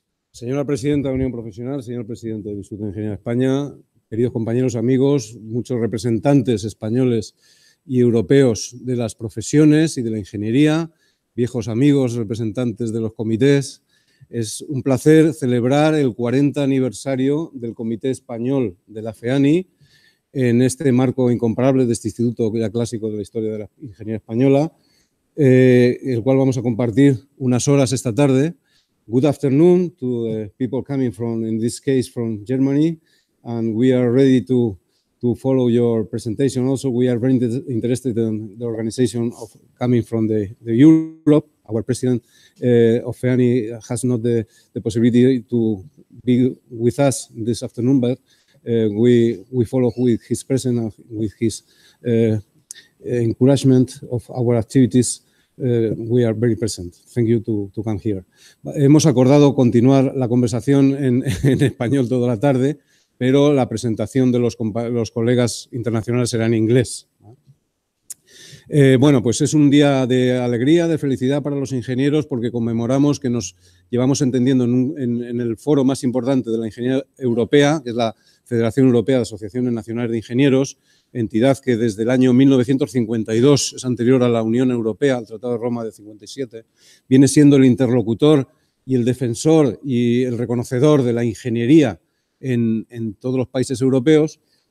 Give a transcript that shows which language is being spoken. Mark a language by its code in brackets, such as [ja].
[es] Señora presidenta de Unión Profesional, señor presidente del Instituto de Ingeniería de España, queridos compañeros, amigos, muchos representantes españoles y europeos de las profesiones y de la ingeniería, viejos amigos, representantes de los comités, es un placer celebrar el 40 aniversario del Comité Español de la FEANI en este marco incomparable de este instituto ya clásico de la historia de la ingeniería española, el cual vamos a compartir unas horas esta tarde. [en] Good afternoon to the people coming from, in this case, from Germany, and we are ready to follow your presentation. Also, we are very interested in the organization of coming from the Europe. Our president of FEANI has not the possibility to be with us this afternoon, but we follow with his presence and with his encouragement of our activities. We are very present. Thank you to come here. [es] Hemos acordado continuar la conversación en español toda la tarde, pero la presentación de los colegas internacionales será en inglés. Bueno, pues es un día de alegría, de felicidad para los ingenieros, porque conmemoramos que nos llevamos entendiendo en el foro más importante de la ingeniería europea, que es la Federación Europea de Asociaciones Nacionales de Ingenieros, entidad que desde el año 1952, es anterior a la Unión Europea, al Tratado de Roma de 57, viene siendo el interlocutor y el defensor y el reconocedor de la ingeniería en todos los países europeos,